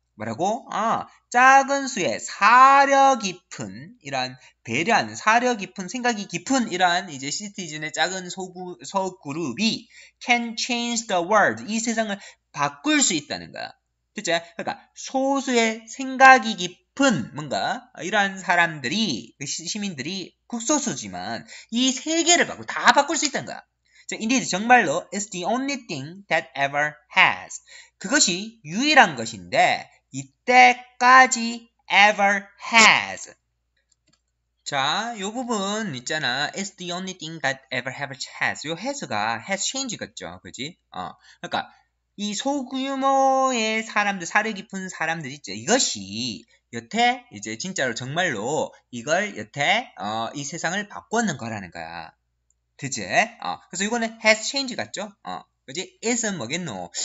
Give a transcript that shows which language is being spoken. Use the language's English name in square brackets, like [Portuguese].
[Korean] 뭐라고? 작은 수의 사려 깊은, 이러한, 배려한, 사려 깊은, 생각이 깊은, 이러한, 이제, 시티즌의 작은 소그룹이 [English] can change the world, [Korean] 이 세상을 바꿀 수 있다는 거야. 그치? 그러니까 소수의 생각이 깊은 뭔가 이러한 사람들이 시민들이 극소수지만 이 세계를 바꾸고 다 바꿀 수 있다는 거야. [English] So, indeed [Korean] 정말로 [English] it's the only thing that ever has. [Korean] 그것이 유일한 것인데 이때까지 [English] ever has. [Korean] 자, 요 부분 있잖아. [English] It's the only thing that ever have has. [Korean] 요 has가 [English] has change [Korean] 같죠. 그렇지? 그러니까 이 소규모의 사람들, 사려 깊은 사람들 있죠. 이것이 여태 이제 진짜로 정말로 이걸 여태 이 세상을 바꿨는 거라는 거야. 그제? 그래서 이거는 [English] has change [Korean] 같죠? 그지? is은 뭐겠노?